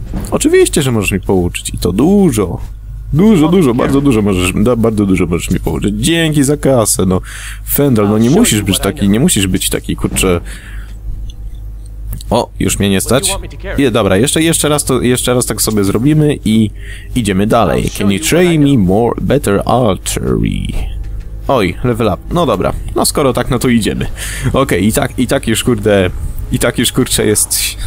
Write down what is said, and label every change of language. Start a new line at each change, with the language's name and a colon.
Polish: Oczywiście, że możesz mnie pouczyć. I to dużo. Bardzo dużo możesz mi pouczyć. Dzięki za kasę, no. Fendal, no nie musisz być taki, kurczę. O, już mnie nie stać. Dobra, jeszcze raz tak sobie zrobimy i idziemy dalej.
English: Can you train me more, better archery?
Polish: Oj, level up. No dobra, no skoro tak, no to idziemy. Okej, i tak już kurczę jest...